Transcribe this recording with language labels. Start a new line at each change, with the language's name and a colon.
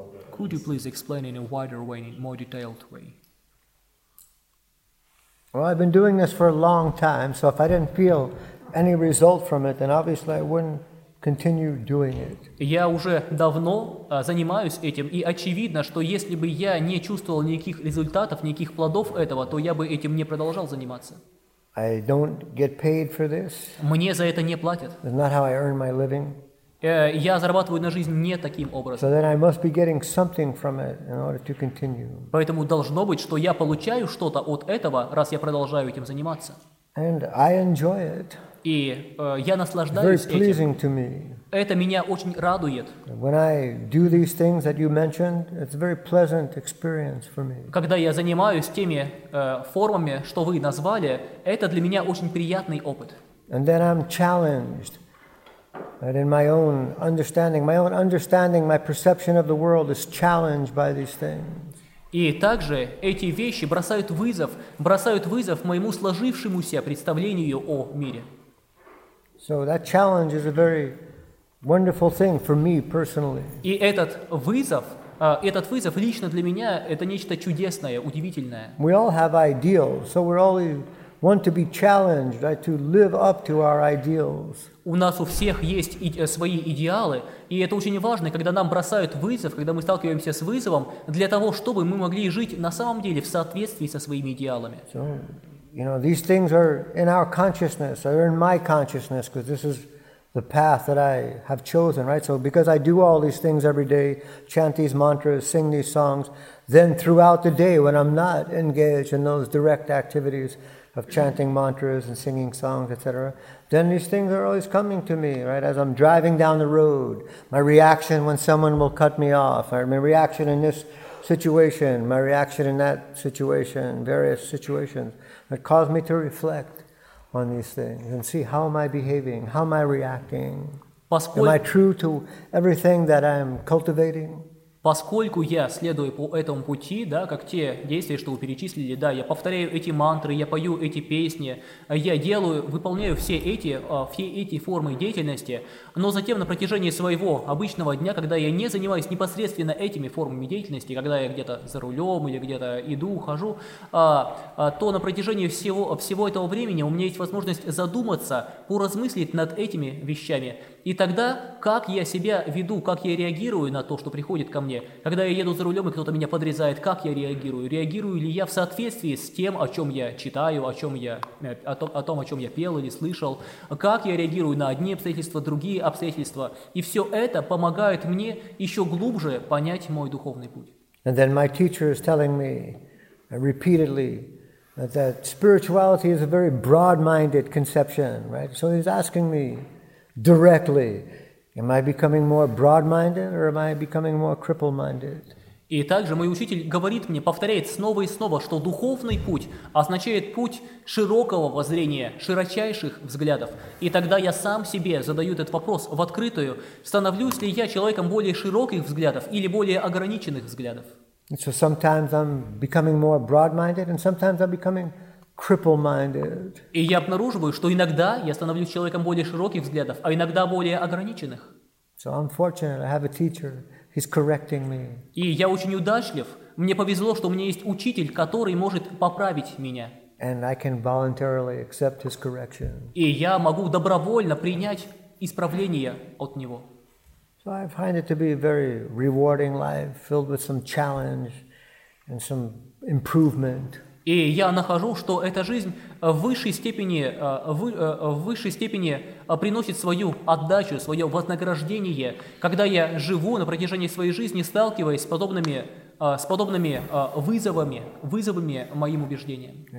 English: Could you please explain in a wider way, in a more detailed way? Well, I've been doing this for a long time, so if I didn't feel any result from it, then obviously I wouldn't continue doing it.
Russian: Я уже давно занимаюсь этим, и очевидно, что если бы я не чувствовал никаких результатов, никаких плодов этого, то я бы этим не продолжал заниматься.
English: I don't get paid for this.
Russian: Мне за это не платят.
English: It's not how I earn my living.
Russian: Я зарабатываю на жизнь не таким образом.
English: So then I must be getting something from it in order to continue.
Russian: Поэтому должно быть, что я получаю что-то от этого, раз я продолжаю этим заниматься.
English: And I enjoy it.
Russian: И я наслаждаюсь этим. Это меня очень радует.
English: When I do these things that you mentioned, it's a very pleasant experience for me.
Russian: Когда я занимаюсь теми формами, что вы назвали, это для меня очень приятный опыт.
English: And then I'm challenged. And in my own understanding, my perception of the world is challenged by these things.
Russian: И также эти вещи бросают вызов моему сложившемуся представлению о мире.
English: So that challenge is a very wonderful thing for me personally.
Russian: И этот вызов лично для меня это нечто чудесное, удивительное.
English: We all have ideals, so we all want to be challenged, right, to live up to our ideals.
Russian: У нас у всех есть свои идеалы, и это очень важно, когда нам бросают вызов, когда мы сталкиваемся с вызовом, для того, чтобы мы могли жить на самом деле в соответствии со своими идеалами.
English: So, you know, these things are in our consciousness, they're in my consciousness, because this is the path that I have chosen, right? So because I do all these things every day, chant these mantras, sing these songs, then throughout the day when I'm not engaged in those direct activities of chanting mantras and singing songs, etc., then these things are always coming to me, right? As I'm driving down the road, my reaction when someone will cut me off, or my reaction in this situation, my reaction in that situation, various situations, that cause me to reflect on these things and see how am I behaving, how am I reacting, am I true to everything that I'm cultivating?
Russian: Поскольку я следую по этому пути, да, как те действия, что вы перечислили, да, я повторяю эти мантры, я пою эти песни, я делаю, выполняю все эти формы деятельности, но затем на протяжении своего обычного дня, когда я не занимаюсь непосредственно этими формами деятельности, когда я где-то за рулем или где-то иду, хожу, то на протяжении всего этого времени у меня есть возможность задуматься, поразмыслить над этими вещами. И тогда, как я себя веду, как я реагирую на то, что приходит ко мне, когда я еду за рулем и кто-то меня подрезает, как я реагирую? Реагирую ли я в соответствии с тем, о чем я читаю, о чем я пел или слышал? Как я реагирую на одни обстоятельства, другие обстоятельства? И все это помогает мне еще глубже понять мой духовный путь.
English: And then my teacher is telling me repeatedly that spirituality is a very broad-minded conception, right? So he's asking me, directly? Am I becoming more broad-minded or am I becoming more cripple-minded?
Russian: И также мой учитель говорит мне, повторяет снова и снова, что духовный путь означает путь широкого воззрения, широчайших взглядов. И тогда я сам себе задаю этот вопрос в открытую, становлюсь ли я человеком более широких взглядов или более ограниченных взглядов.
English: And so sometimes I'm becoming more broad-minded and sometimes I'm becoming cripple-minded.
Russian: И я обнаруживаю, что иногда я становлюсь человеком более широких взглядов, а иногда более ограниченных.
English: So I'm fortunate, I have a teacher. He's correcting me.
Russian: И я очень удачлив. Мне повезло, что у меня есть учитель, который может поправить меня.
English: And I can voluntarily accept his correction.
Russian: И я могу добровольно принять исправление от него.
English: So I find it to be a very rewarding life, filled with some challenge and some improvement.
Russian: И я нахожу, что эта жизнь в высшей степени приносит свою отдачу, свое вознаграждение, когда я живу на протяжении своей жизни, сталкиваясь с подобными вызовами моим убеждениям.